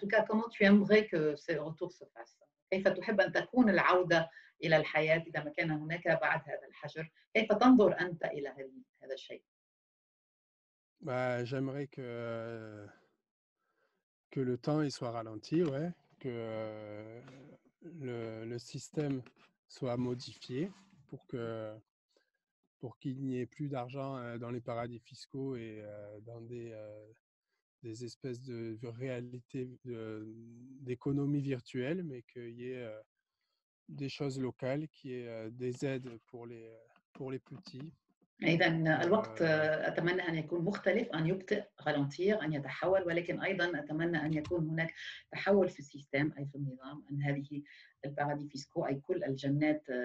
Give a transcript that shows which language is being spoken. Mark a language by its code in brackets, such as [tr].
[fr] En tout cas, comment tu aimerais que ce retour se fasse? [ar] كيف تحب أن تكون العودة إلى الحياة إذا ما كان هناك بعد هذا الحجر؟ كيف تنظر أنت إلى هذا الشيء؟ [fr] Bah, j'aimerais que le temps il soit ralenti, ouais, que le système soit modifié pour qu'il n'y ait plus d'argent dans les paradis fiscaux et dans des espèces de réalités d'économie virtuelle, mais qu'il y ait des choses locales, qu'il y ait des aides pour les petits. [ar] إذا الوقت أتمنى أن يكون مختلف، أن يبطئ، غلنتير، أن يتحول، ولكن أيضا أتمنى أن يكون هناك تحول في السيستم أي في النظام، أن هذه البارادي فيسكو أي كل الجنات